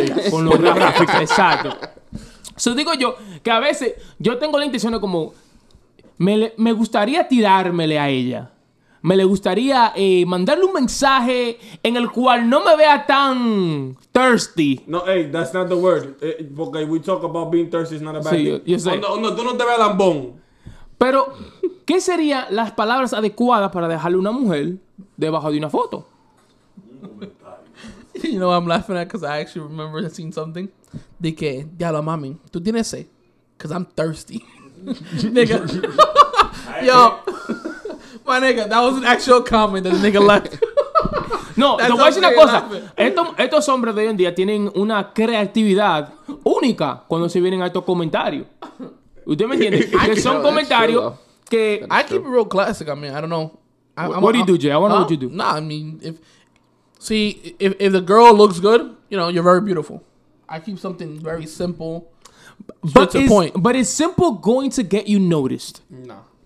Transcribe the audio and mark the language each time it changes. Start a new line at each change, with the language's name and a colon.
Spanish: Pornográfica. Exacto. So, digo yo que a veces yo tengo la intención de como me gustaría tirármele a ella. Me le gustaría mandarle un mensaje en el cual no me vea tan thirsty.
English: No, hey, that's not the word.
Spanish: Porque
English: we talk about being thirsty, it's not a bad thing.
Spanish: Tú no te veas lambón. Pero, ¿qué serían las palabras adecuadas para dejarle una mujer debajo de una foto?
English: You know, I'm laughing at because I actually remember I've seen something.
Spanish: De que, ya la mami, tú tienes sed.
English: Because I'm thirsty.
Spanish: Nigga. Yo.
English: My nigga, that was an actual comment that the nigga left.
Spanish: No, te voy a decir una cosa. Estos hombres de hoy en día tienen una creatividad única cuando se vienen a estos comentarios. ¿Usted me entiende? Que son comentarios que...
English: I keep it real classic. I mean, I don't know. What do you do, Jay? I want to know what you do. Nah, I mean, if the girl looks good, you know, you're very beautiful. I keep something very simple. But is simple going to get you noticed? No.